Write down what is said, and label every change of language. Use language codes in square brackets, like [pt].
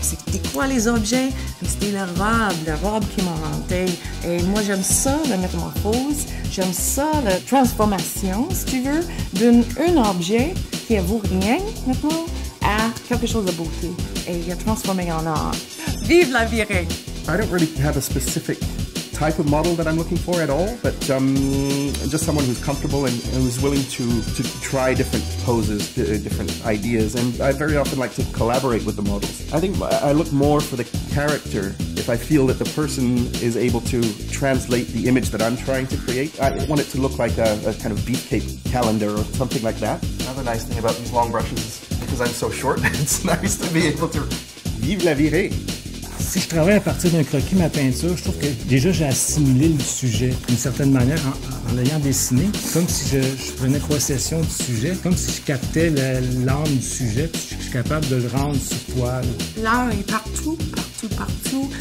[fr] C'était quoi les objets? C'était la robe qui m'a hantée. Et moi, j'aime ça, la métamorphose, j'aime ça, la transformation, si tu veux, d'un objet qui ne vaut rien, maintenant, à quelque chose de beauté. Et il a transformé en art. Vive la virée! [en] I don't really have a specific type of model that I'm looking for at all, but just someone who's comfortable and who's willing to try different poses, different ideas, and I very often like to collaborate with the models. I think I look more for the character. If I feel that the person is able to translate the image that I'm trying to create, I want it to look like a kind of beefcake calendar or something like that. Another nice thing about these long brushes is because I'm so short, it's nice to be able to [fr] vive la virée. Si je travaille à partir d'un croquis, ma peinture, je trouve que déjà j'ai assimilé le sujet d'une certaine manière en l'ayant dessiné, comme si je prenais possession du sujet, comme si je captais l'âme du sujet, puis je suis capable de le rendre sur toile. L'art est partout, partout, partout.